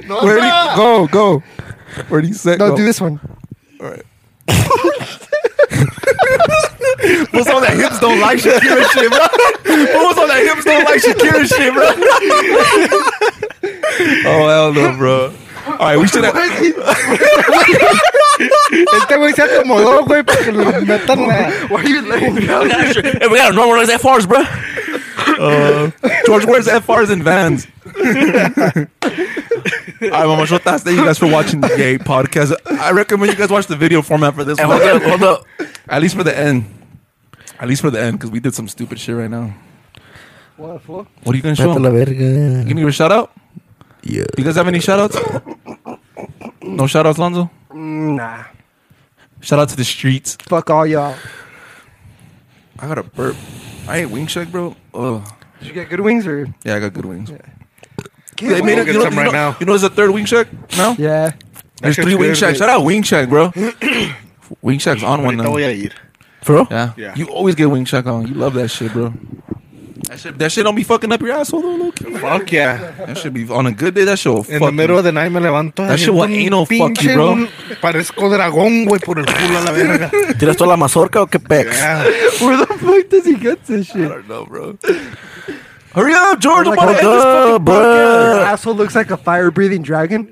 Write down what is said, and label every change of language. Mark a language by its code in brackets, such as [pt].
[en] Go. Where do you set? No, go. Do this one. All right. What's on that hips don't like Shakira shit, bro? What's on that hips don't like Shakira shit, bro? Oh, hell no, bro. All right, we should have. [es] Este güey se acomodó, güey, para que lo metan. [en] Why are you laying down? Hey, we got to normalize that force, bro. George wears FRs in Vans. Alright, Mama Shotas, thank you guys for watching the Gay Podcast. I recommend you guys watch the video format for this one. Hold up. At least for the end, because we did some stupid shit right now. What are you gonna show? [es] La verga. [en] You gonna give a shout out? Yeah. You guys have any shout outs? No shout outs, Lonzo? Nah. Shout out to the streets. Fuck all y'all. I got a burp. I ate wing shack, bro. Ugh. Did you get good wings or? Yeah, I got good wings. Yeah. They made it. You know, right now. You know, there's a third wing shack now. Yeah, there's three wing shacks. Shout out wing shack, bro. Wing shack's on one now. Oh yeah, eat. For real? Yeah. You always get wing shack on. You love that shit, bro. That shit don't be fucking up your asshole though, look. Fuck yeah. That should be on a good day. That shit will in fuck the middle you. Of the night, [es] me levanto. [en] That shit will anal fuck you, bro. [es] Parezco dragón, güey, por el culo a la verga. ¿Tiras toda la mazorca o qué pex? [en] Where the fuck does he get this shit? I don't know, bro. Hurry up, George. Like, hold up, bro. Your asshole looks like a fire breathing dragon.